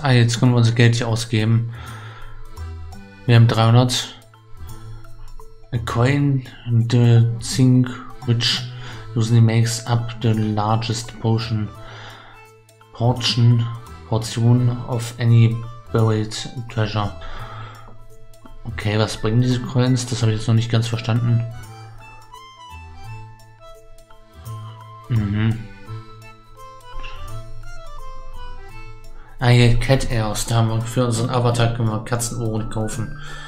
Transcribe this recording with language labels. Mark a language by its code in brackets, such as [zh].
[de] Ah, jetzt können wir unser Geld hier ausgeben. Wir haben 300. [en] A coin, the thing which usually makes up the largest portion of any buried treasure. [de] Okay, was bringen diese Coins? Das habe ich jetzt noch nicht ganz verstanden. Mhm. Ah, hier, Cat Ears, da haben wir für unseren Avatar können wir Katzenohren kaufen.